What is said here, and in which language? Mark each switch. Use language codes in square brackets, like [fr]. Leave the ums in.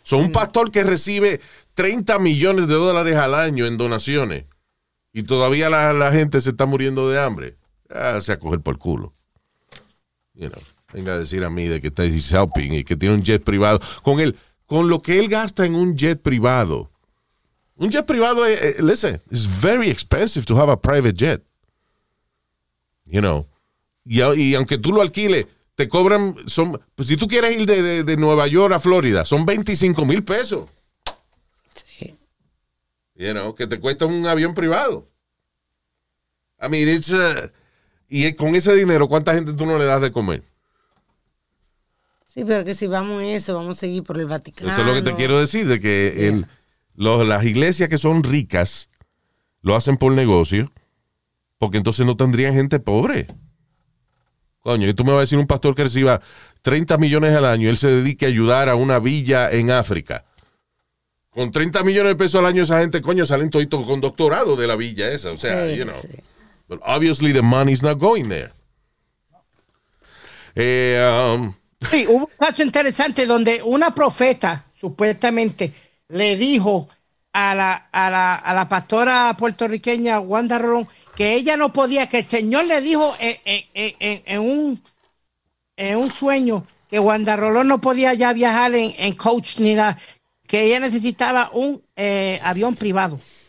[es] So, un pastor que recibe 30 millones de dólares al año en donaciones y todavía la, la gente se está muriendo de hambre, ah, se va a coger por culo. [en] You know, [es] venga a decir a mí de que está [en] he's helping [es] y que tiene un jet privado. Con, el, con lo que él gasta en un jet privado. Un jet privado, eh, eh, [en] listen, it's very expensive to have a private jet. You know. [es] Y, a- y aunque tú lo alquiles, te cobran, son, pues si tú quieres ir de, de- de Nueva York a Florida, son 25 mil pesos. Sí. [en] You know, [es] que te cuesta un avión privado. [en] I mean, it's a- [es] y con ese dinero, ¿cuánta gente tú no le das de comer? Sí, pero que si vamos en eso, vamos a seguir por el Vaticano. Eso es lo que te quiero decir, de que el- los, las iglesias que son ricas lo hacen por negocio, porque entonces no tendrían gente pobre. Coño, y tú me vas a decir un pastor que reciba 30 millones al año, él se dedique a ayudar a una villa en África. Con 30 millones de pesos al año, esa gente, coño, salen toditos con doctorado de la villa esa. O sea, Sí, you know. sí. [en] But obviously the money's not going there. Eh, um, [es] Sí, hubo un caso interesante donde una profeta, supuestamente, le dijo a la, a la, a la pastora puertorriqueña Wanda Rolón que ella no podía, que el Señor le dijo en, en- en- en- en un, en un sueño que Wanda Rolón no podía ya viajar en, en coach ni nada, que ella necesitaba un eh, avión privado.